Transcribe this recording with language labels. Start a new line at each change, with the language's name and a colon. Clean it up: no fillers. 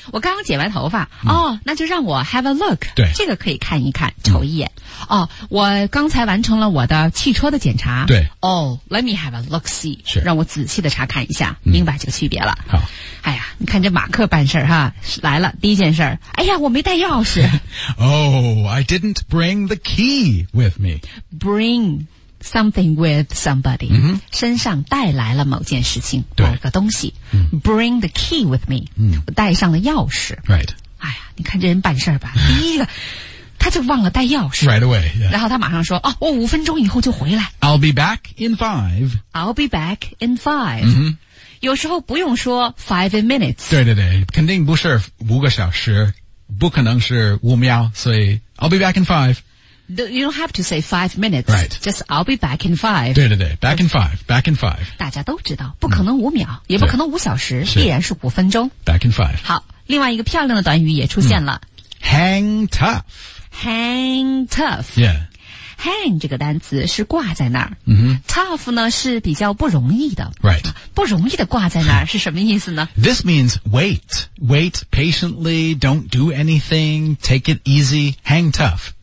Chinese: 我刚刚剪完头发、mm-hmm. 哦，那就让我
English: have a look
Chinese: 对这个可以看一看瞅一眼、mm-hmm. 哦，我刚才完成了我的汽车的检查对
English: Oh, let me have a look-see
Chinese: 是让我仔细的查看一下、 mm-hmm. 明白这个区别了好哎呀你看这马克办事哈来了第一件事哎呀我没带钥匙。
English: Oh, I didn't bring the key with me. Bring something with somebody.、 Mm-hmm.
Chinese: 身上带来了某件事情对某个东西。 Mm-hmm.
English: Bring the key with me.、 Mm-hmm.
Chinese: 我带上了钥匙。
English: Right.
Chinese: 哎呀你看这人办事吧第一个他就忘了带钥匙。
English: Right away.、Yeah.
Chinese: 然后他马上说哦我五分钟以后就回来。
English: I'll be back in five. I'll be back in five.、 Mm-hmm.
Chinese: 有时候不用说
English: five minutes
Chinese: 对对对肯定不是五个小时不可能是五秒，所以
English: I'll be back in five. You don't have to say 5 minutes. Right. Just I'll be back in five.
Chinese: 对对对
English: ，back in five, back in five.
Chinese: 大家都知道，不可能五秒，也不可能五小时，必然是五分钟。
English: Back in five.
Chinese: 好，另外一个漂亮的短语也出现了。
English: Hang tough. Hang tough. Yeah.
Chinese: Hang 这个单词是挂在那儿、 mm-hmm. Tough 呢是比较不容易的
English: Right
Chinese: 不容易的挂在那儿是什么意思呢
English: This means wait Wait patiently Don't do anything Take it easy Hang tough